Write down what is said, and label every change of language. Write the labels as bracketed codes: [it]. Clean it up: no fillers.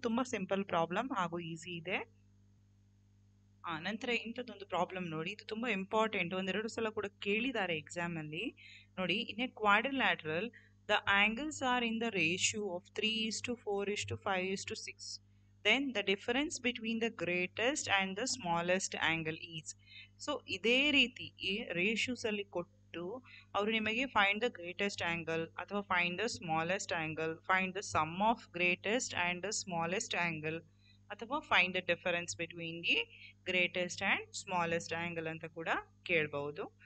[kn] ತುಂಬ simple problem ಹಾಗೂ easy ಇದೆ. ನಂತರ ಇಂಥದ್ದೊಂದು ಪ್ರಾಬ್ಲಮ್ ನೋಡಿ, ಇದು ತುಂಬ ಇಂಪಾರ್ಟೆಂಟ್, ಒಂದೆರಡು ಸಲ ಕೂಡ ಕೇಳಿದ್ದಾರೆ ಎಕ್ಸಾಮಲ್ಲಿ. [en] ನೋಡಿ, in a quadrilateral the angles are in the ratio of 3:4:5:6. then the difference between the greatest and the smallest angle is. [kn] So ಇದೇ ರೀತಿ ಈ ರೇಷ್ಯೂಸ್ ಅಲ್ಲಿ ಕೊಟ್ಟು ಅವರು ನಿಮಗೆ [en] find the greatest angle [kn] ಅಥವಾ [en] find the smallest angle, find the sum of greatest and the smallest angle [kn] ಅಥವಾ [en] find the difference between the greatest and smallest angle [kn] ಅಂತ ಕೂಡ ಕೇಳ್ಬೌದು.